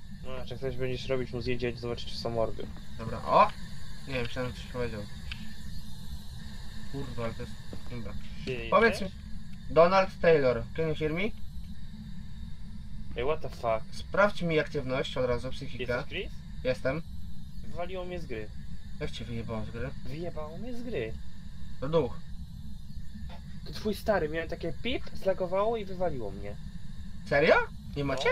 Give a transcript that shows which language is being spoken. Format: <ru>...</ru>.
<pl>No, czy ktoś będziesz robić mu zdjęcie, zobaczyć, czy są morby. Dobra, o! Nie wiem, myślałem, coś powiedział. Kurwa, ale to jest... Dobra. Ty Powiedz mi... jesteś?</pl> <en>Donald Taylor, can you hear me?</en> <pl>Ej,</pl> <en>what the fuck?</en> <pl>Sprawdź mi aktywność od razu, psychikę. Jesteś Chris? Jestem. Waliło mnie z gry. Jak cię wyjebało z gry? Wyjebało mnie z gry. To duch. To twój stary, miałem takie pip, zlagowało i wywaliło mnie. Serio? Nie macie?</pl>